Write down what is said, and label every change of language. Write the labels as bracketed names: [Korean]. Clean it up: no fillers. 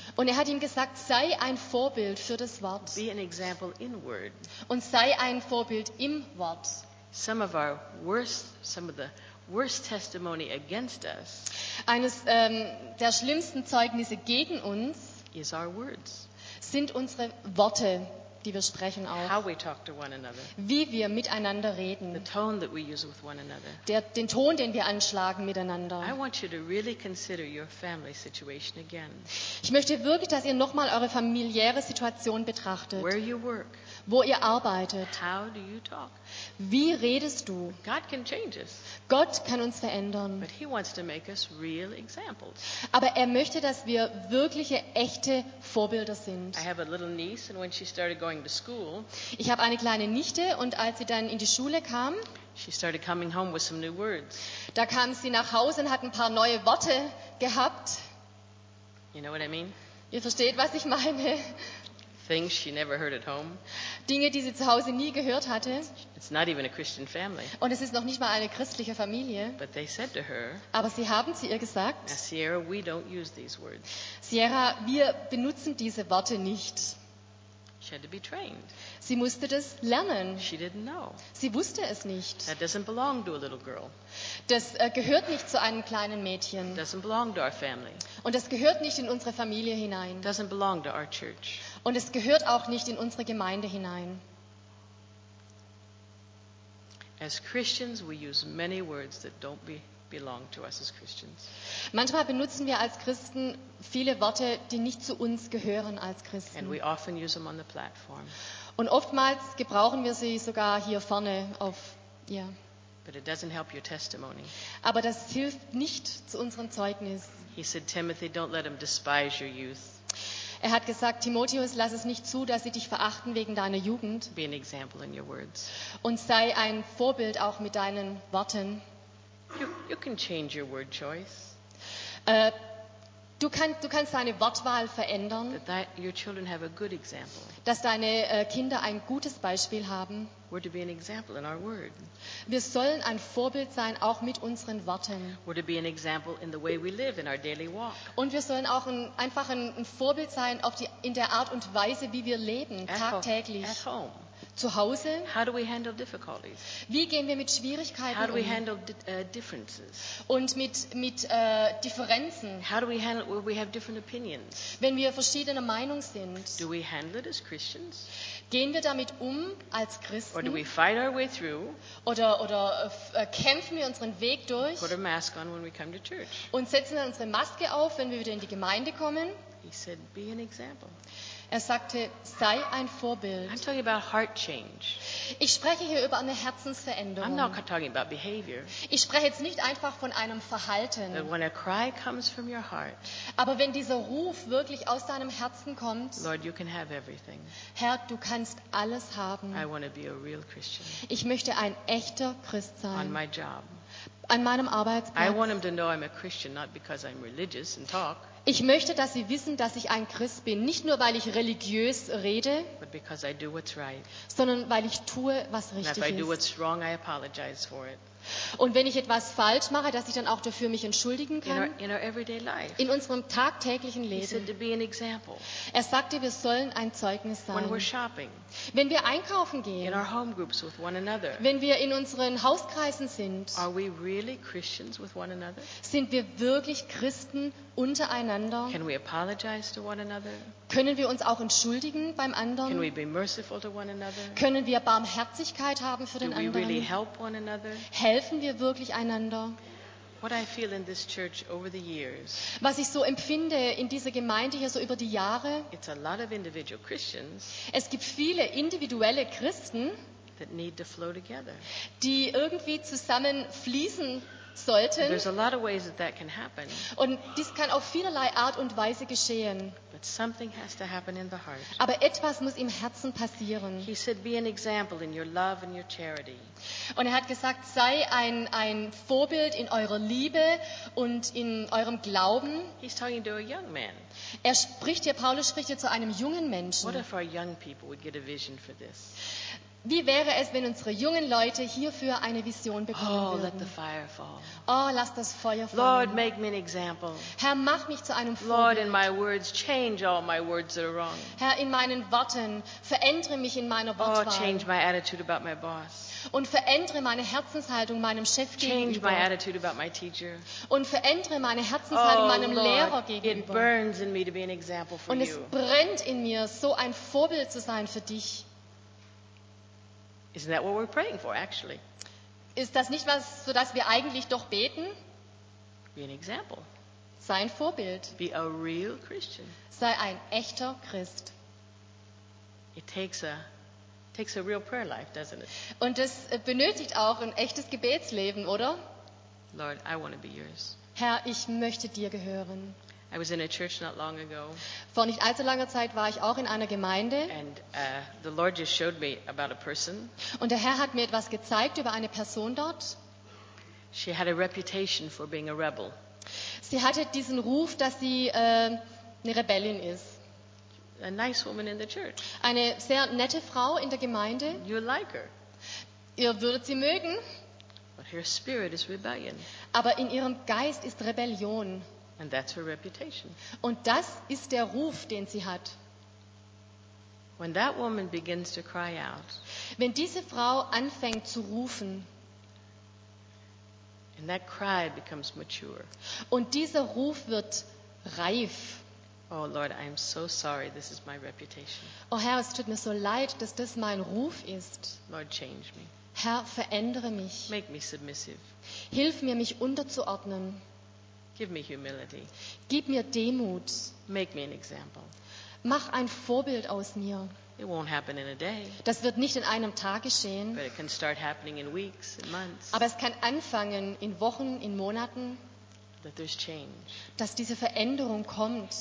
[German] Und er hat ihm gesagt, sei ein Vorbild für das Wort. [English] Be an example in word. [German] Und sei ein Vorbild im Wort. [English] Some of the worst testimony against us. [German] Eines der schlimmsten Zeugnisse gegen uns [English] is our words. [German] Sind unsere Worte. Die wir sprechen auch. [English] How we talk to one another. [German] Wie wir miteinander reden. [English] The tone that we use with one another. [German] Den Ton, den wir anschlagen miteinander. [English] I want you to really consider your family situation again. [German] Ich möchte wirklich, dass ihr nochmal eure familiäre Situation betrachtet. [English] Where you work. [German] Wo ihr arbeitet. [English] How do you talk? [German] Wie redest du? [English] God can change us. [German] Gott kann uns verändern. [English] But he wants to make us real examples. [German] Aber er möchte, dass wir wirkliche, echte Vorbilder sind. [English] I have a little niece, and when she started going to school, [German] ich habe eine kleine Nichte und als sie dann in die Schule kam, [English] she started coming home with some new words. [German] Da kam sie nach Hause und hat ein paar neue Worte gehabt. [English] You know what I mean? [German] Ihr versteht, was ich meine. [English] Things she never heard at home. [German] Dinge, die sie zu Hause nie gehört hatte. [English] It's not even a Christian family. [German] Und es ist noch nicht mal eine christliche Familie. [English] But they said to her, [German] aber sie haben zu ihr gesagt, [English] now, Sierra, we don't use these words. [German] Sierra, wir benutzen diese Worte nicht. [English] She had to be trained. [German] Sie musste das lernen. [English] She didn't know. [German] Sie wusste es nicht. [English] That doesn't belong to a little girl. [German] Das gehört nicht zu einem kleinen Mädchen. [English] It doesn't belong to our family. [German] Und das gehört nicht in unsere Familie hinein. [English] It doesn't belong to our church. [German] Und es gehört auch nicht in unsere Gemeinde hinein. [English] As Christians, we use many words that don't belong to us as Christians. [German] Manchmal benutzen wir als Christen viele Worte, die nicht zu uns gehören als Christen. [English] And we often use them on the platform. [German] Und oftmals gebrauchen wir sie sogar hier vorne auf ja. [English] But it doesn't help your testimony. [German] Aber das hilft nicht zu unserem Zeugnis. [English] He said, Timothy, don't let them despise your youth. [German] Er hat gesagt, Timotheus, lass es nicht zu, dass sie dich verachten wegen deiner Jugend. [English] Be an example in your words. [German] Und sei ein Vorbild auch mit deinen Worten. [English] You can change your word choice. [German] Du kannst deine Wortwahl verändern. [English] Your children have a good example. [German] Dass deine Kinder ein gutes Beispiel haben. [English] We're to be an example in our word. [German] Wir sollen ein Vorbild sein, auch mit unseren Worten. [English] We're to be an example in the way we live in our daily walk. [German] Und wir sollen auch einfach ein Vorbild sein in der Art und Weise, wie wir leben, tagtäglich. [English] At home. [German] Zu Hause. [English] How do we handle difficulties? [German] Wie gehen wir mit Schwierigkeiten um? [English] How do we handle differences? [German] Und mit Differenzen. [English] How do we handle when we have different opinions? [German] Wenn wir verschiedener Meinung sind. [English] Do we handle it as Christians? [German] Gehen wir damit um als Christen? [English] Or do we fight our way through? [German] Oder kämpfen wir unseren Weg durch? [English] Put a mask on when we come to church. [German] Und setzen dann unsere Maske auf, wenn wir wieder in die Gemeinde kommen? [English] He said, be an example. [German] Er sagte, sei ein Vorbild. [English] I'm talking about heart change. [German] Ich spreche hier über eine Herzensveränderung. [English] I'm not talking about behavior. [German] Ich spreche jetzt nicht einfach von einem Verhalten. [English] But when a cry comes from your heart, [German] aber wenn dieser Ruf wirklich aus deinem Herzen kommt, [English] Lord, you can have everything. [German] Herr, du kannst alles haben. [English] I want to be a real Christian. [German] Ich möchte ein echter Christ sein. [English] On my job. [German] An meinem Arbeitsplatz. [English] I want them to know I'm a Christian, not because I'm religious and talk. [German] Ich möchte, dass sie wissen, dass ich ein Christ bin, nicht nur, weil ich religiös rede, [English] but because I do what's right. [German] Sondern weil ich tue, was richtig [English] and if I [German] ist. [English] Do what's wrong, I apologize for it. [German] Und wenn ich etwas falsch mache, dass ich dann auch dafür mich entschuldigen kann, [English] in our everyday life. [German] In unserem tagtäglichen Leben. [English] He said to be an example. [German] Er sagte, wir sollen ein Zeugnis sein. [English] When we're shopping. [German] Wenn wir einkaufen gehen, [English] in our home groups with one another. [German] Wenn wir in unseren Hauskreisen sind, [English] are we really Christians with one another? [German] Sind wir wirklich Christen untereinander? [English] Can we apologize to one another? [German] Können wir uns auch entschuldigen beim anderen? [English] Can we be merciful to one another? [German] Können wir Barmherzigkeit haben für [English] Do [German] den anderen? [English] We really help one another? [German] Helfen wir wirklich einander? [English] What I feel in this church over the years, [German] was ich so empfinde in dieser Gemeinde hier so über die Jahre, [English] it's a lot of individual Christians, [German] es gibt viele individuelle Christen, [English] that need to flow together. [German] Die irgendwie zusammen fließen sollten. [English] There's a lot of ways that that can happen. [German] Und dies kann auf vielerlei Art und Weise geschehen. [English] But something has to happen in the heart. [German] Aber etwas muss im Herzen passieren. [English] He said, be an example in your love and your charity. [German] Und er hat gesagt, sei ein Vorbild in eurer Liebe und in eurem Glauben. [English] He's talking to a young man. [German] Er spricht hier, Paulus spricht hier zu einem jungen Menschen. [English] What if our young people would get a vision for this? [German] Wie wäre es, wenn unsere jungen Leute hierfür eine Vision bekommen würden? [English] Oh, let the fire fall. [German] Oh, lass das Feuer fallen. [English] Lord, make me an example. [German] Herr, mach mich zu einem Vorbild. [English] Lord, in my words, change all my words that are wrong. [German] Herr, in meinen Worten, verändere mich in meiner Wortwahl. [English] Oh, change my attitude about my boss. [German] Und verändere meine Herzenshaltung meinem Chef gegenüber. [English] Change my attitude about my teacher. [German] Und verändere meine Herzenshaltung meinem Lehrer gegenüber. [English] It burns in me to be an example for [German] Und [English] you. [German] Es brennt in mir, so ein Vorbild zu sein für dich. [English] Isn't that what we're praying for, actually? [German] Ist das nicht was, so dass wir eigentlich doch beten? [English] Be an example. [German] Sei ein Vorbild. [English] Be a real Christian. [German] Sei ein echter Christ. [English] It takes a real prayer life, doesn't it? [German] Und das benötigt auch ein echtes Gebetsleben, oder? [English] Lord, I want to be yours. [German] Herr, ich möchte dir gehören. [English] I was in a church not long ago. [German] Vor nicht allzu langer Zeit war ich auch in einer Gemeinde. [English] And the Lord just showed me about a person. [German] Und der Herr hat mir etwas gezeigt über eine Person dort. [English] She had a reputation for being a rebel. [German] Sie hatte diesen Ruf, dass sie eine Rebellin ist. [English] A nice woman in the church. [German] Eine sehr nette Frau in der Gemeinde. [English] You like her. [German] Ihr würdet sie mögen. [English] But her spirit is rebellion. [German] Aber in ihrem Geist ist Rebellion. [English] And that's her reputation. [German] Und das ist der Ruf, den sie hat. [English] When that woman begins to cry out, [German] wenn diese Frau anfängt zu rufen, [English] and that cry becomes mature, [German] und dieser Ruf wird reif. [English] Oh Lord, I am so sorry. This is my reputation. [German] Oh Herr, es tut mir so leid, dass das mein Ruf ist. [English] Lord, change me. [German] Herr, verändere mich. [English] Make me submissive. [German] Hilf mir, mich unterzuordnen. [English] Give me humility. [German] Gib mir Demut. [English] Make me an example. [German] Mach ein Vorbild aus mir. [English] It won't happen in a day. [German] Das wird nicht in einem Tag geschehen. [English] But it can start happening in weeks, in months. [German] Aber es kann anfangen in Wochen, in Monaten. [English] That there's change. [German] Dass diese Veränderung kommt.